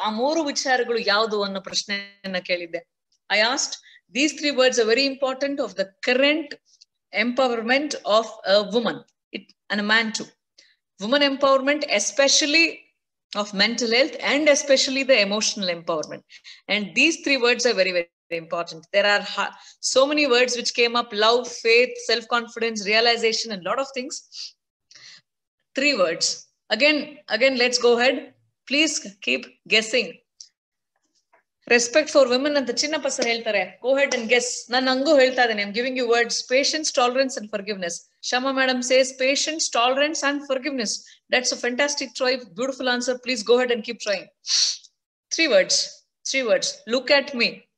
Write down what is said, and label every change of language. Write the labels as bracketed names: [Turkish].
[Kannada] ಆ ಮೂರು ವಿಚಾರಗಳು ಯಾವುದು ಅನ್ನೋ ಪ್ರಶ್ನೆಯನ್ನ ಕೇಳಿದ್ದೆ. [English] I asked these 3 words are very important of the current empowerment of a woman it on a man to woman empowerment, especially of mental health and especially the emotional empowerment. And these 3 words are very, very important. There are so many words which came up: love, faith, self-confidence, realization, and lot of things. 3 words. Again, let's go ahead. Please keep guessing. Respect for women [Kannada] ಅಂತ Chinnappa sir ಹೇಳ್ತಾರೆ. [English] Go ahead and guess. [Kannada] ನಾನು ಹಂಗೂ ಹೇಳ್ತಾ ಇದ್ದೀನಿ, [English] I'm giving you words. Patience, tolerance and forgiveness. Shama madam says patience, tolerance and forgiveness. That's a fantastic try, beautiful answer. Please go ahead and keep trying. Three words. Look at me.